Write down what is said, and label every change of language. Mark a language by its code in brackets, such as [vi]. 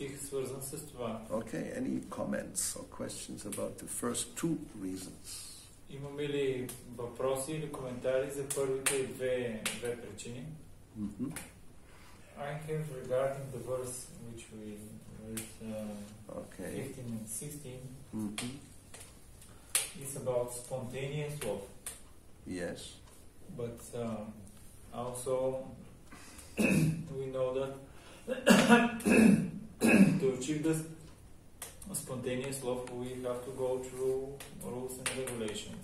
[en] Okay, any comments or questions about the first two reasons? [bg] Имаме ли въпроси или коментари за първите две причини? [en] I have regarding the verse which we read, okay. 15 and 16. It's about spontaneous love. Yes. But also we know that to achieve this spontaneous love, we have to go through rules and regulations.